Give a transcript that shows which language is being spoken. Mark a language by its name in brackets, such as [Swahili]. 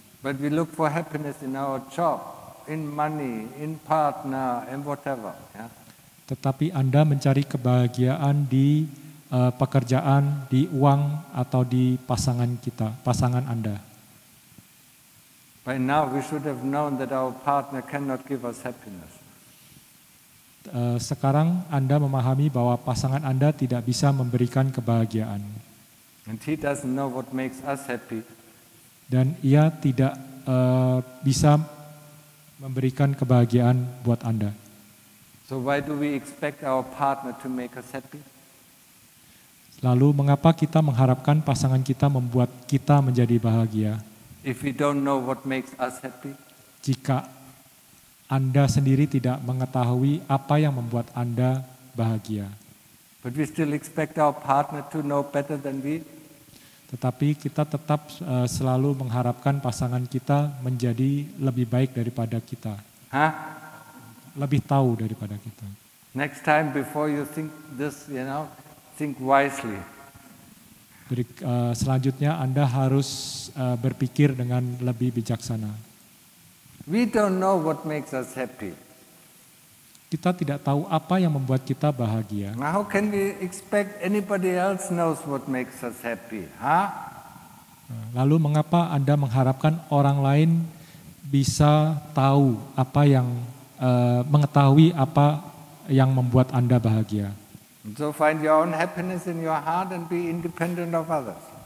[English] But we look for happiness in our job, in money, in partner, and whatever. Yeah? [Indonesian] Tetapi Anda mencari kebahagiaan di pekerjaan, di uang, atau di pasangan kita, pasangan Anda. [English] By now we should have known that our partner cannot give us happiness. [Indonesian] Sekarang Anda memahami bahwa pasangan Anda tidak bisa memberikan kebahagiaan. [English] And he doesn't know what makes us happy. [Indonesian] Dan ia tidak bisa memberikan kebahagiaan buat Anda. [English] So why do we expect our partner to make us happy? [Indonesian] Lalu mengapa kita mengharapkan pasangan kita membuat kita menjadi bahagia? [English] If we don't know what makes us happy? [Indonesian] Jika Anda sendiri tidak mengetahui apa yang membuat Anda bahagia. [English] But we still expect our partner to know better than we. [Indonesian] Tetapi kita tetap selalu mengharapkan pasangan kita menjadi lebih baik daripada kita. Hah? Lebih tahu daripada kita. [English] Next time before you think this, you know, think wisely. [Indonesian] Jadi selanjutnya Anda harus berpikir dengan lebih bijaksana. [English] We don't know what makes us happy. [Indonesian] Kita tidak tahu apa yang membuat kita bahagia. [English] How can we expect anybody else knows what makes us happy? Huh? [Indonesian] Lalu mengapa Anda mengharapkan orang lain bisa tahu apa yang mengetahui apa yang membuat Anda bahagia? [English] So find your own happiness in your heart and be independent of others.